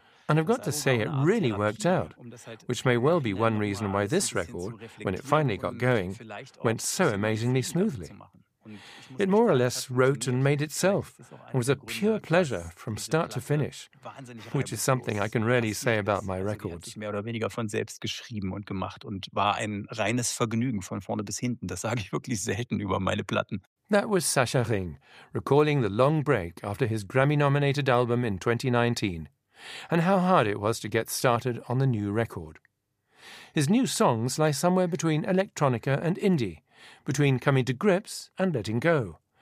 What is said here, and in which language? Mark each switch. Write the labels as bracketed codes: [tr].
[en] And I've got to say, it really worked out, which may well be one reason why this record, when it finally got going, went so amazingly smoothly. It more or less wrote and made itself and was a pure pleasure from start to finish, which is something I can rarely say about my records. [de] Sie hat sich mehr oder weniger von selbst geschrieben und gemacht und war ein reines Vergnügen von vorne bis hinten. Das sage ich wirklich selten über meine Platten. [en] That was Sascha Ring, recalling the long break after his Grammy-nominated album in 2019 and how hard it was to get started on the new record. His new songs lie somewhere between electronica and indie, between coming to grips and letting go.